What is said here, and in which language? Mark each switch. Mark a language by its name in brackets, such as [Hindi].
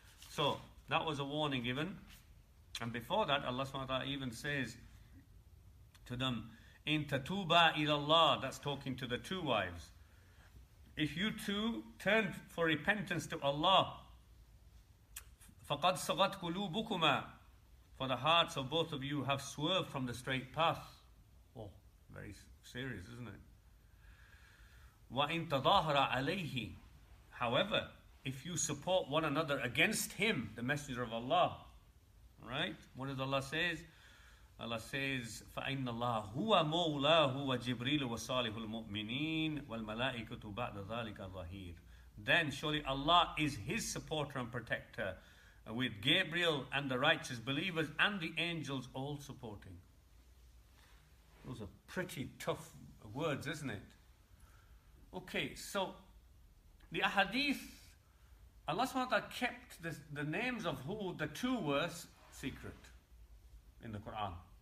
[English] So that was a warning given. And before that, Allah subhanahu wa ta'ala even says to them, [Arabic] in tatuba ilallah, [English] that's talking to the two wives, if you two turn for repentance to Allah, [Arabic] faqad sagat qulubukuma, [English] for the hearts of both of you have swerved from the straight path. Oh, very serious, isn't it? [Arabic] Wa in tadahara alayhi, [English] however, if you support one another against him, the Messenger of Allah, right? What does Allah say? Allah says, [Arabic] فَإِنَّ اللَّهَ هُوَ مَوْلَاهُ وَجِبْرِيلُ وَصَالِحُ الْمُؤْمِنِينَ وَالْمَلَائِكَةُ بَعْدَ ذَلِكَ ظَهِيرٌ. [English] Then surely Allah is his supporter and protector, with Gabriel and the righteous believers and the angels all supporting. Those are pretty tough words, isn't it? Okay, so the ahadith, Allah subhanahu wa ta'ala kept the names of who the two were secret in the Quran.